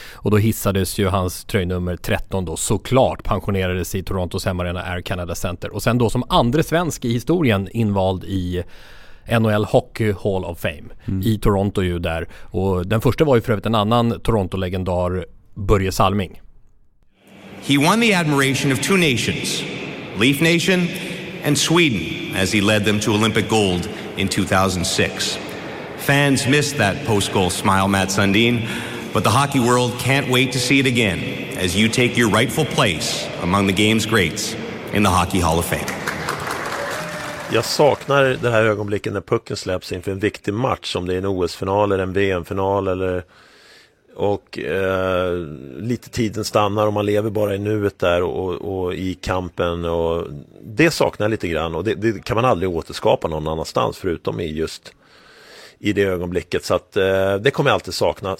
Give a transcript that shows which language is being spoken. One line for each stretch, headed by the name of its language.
Swedish: Och då hissades ju hans tröjnummer 13 då. Såklart pensionerades i Torontos hemarena Air Canada Center. Och sen då som andra svensk i historien invald i NHL Hockey Hall of Fame. Mm. I Toronto ju där. Och den första var ju för övrigt en annan Toronto-legendar, Börje Salming.
English: He won the admiration of two nations. Leaf Nation and Sweden as he led them to Olympic gold in 2006. Fans missed that post-goal smile, Matt Sundin, but the hockey world can't wait to see it again as you take your rightful place among the game's greats in the Hockey Hall of Fame.
Swedish: Jag saknar det här ögonblicket när pucken släpps inför en viktig match, om det är en OS-final eller en VM-final eller och lite tiden stannar och man lever bara i nuet där och i kampen och det saknar jag lite grann och det kan man aldrig återskapa någon annanstans förutom i just i det ögonblicket, så att det kommer jag alltid sakna.